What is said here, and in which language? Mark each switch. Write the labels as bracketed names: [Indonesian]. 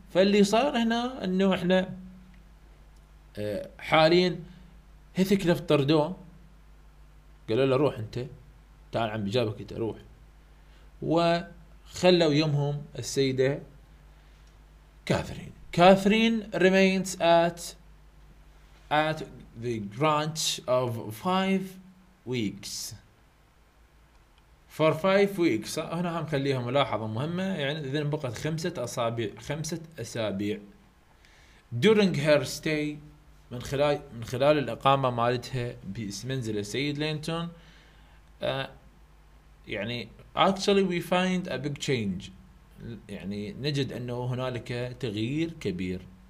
[Arabic] فاللي صار هنا أنه إحنا حاليا هيثكليف طردوه، قالوا له روح انت، تعال عم بجابك انت روح، وخلوا يمهم السيدة كاثرين. [English] Catherine remains at the grange of 5 weeks. [Arabic] For 5 weeks هنا هم خليها ملاحظة مهمة، يعني اذا بقت 5 اسابيع. During her stay، من خلال الإقامة مالتها بمنزل السيد لينتون، يعني [English] actually we find a big change، [Arabic] يعني نجد أنه هنالك تغيير كبير.